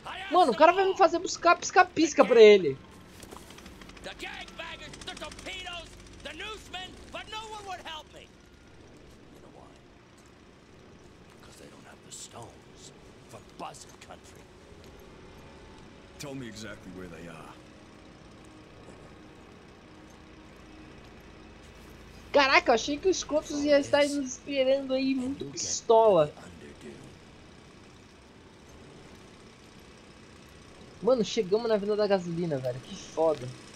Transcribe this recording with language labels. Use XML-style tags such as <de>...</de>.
<pt>Mano, o cara vai me fazer buscar pisca-pisca pra ele.</pt> <en>The gangbangers, the torpedoes, the Noosemen, but no one would help me. You know why? Because they don't have the stones for Buzzard Country. Tell me exactly where they are.</en> <pt>Caraca, achei que os corpos iam estar nos esperando aí muito pistola. Mano, chegamos na venda da gasolina, velho. Que foda.</pt>